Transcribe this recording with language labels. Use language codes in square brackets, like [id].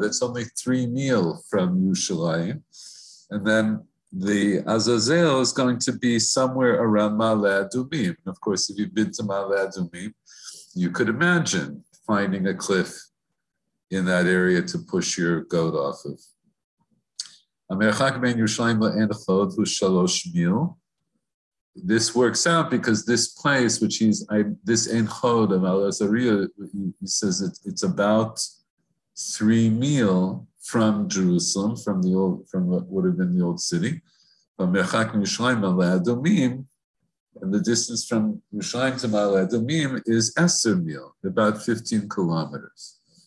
[en] That's only 3 mil from Yerushalayim. And then the Azazel is going to be somewhere around Ma'ale Adumim. Of course, if you've been to Ma'ale Adumim, you could imagine finding a cliff in that area to push your goat off of. [he] המרחק בין ירושלים לעין החולות הוא 3 mil. [en] This works out because this place, which he's, this Ein Chod of Al-Azariya, he says it's about 3 mil from Jerusalem, from the old, from what would have been the old city. [he] המרחק מירושלים למעלה אדומים, [en] and the distance from Yerushalayim to Ma'ale Adumim is 10 mil, about 15 kilometers.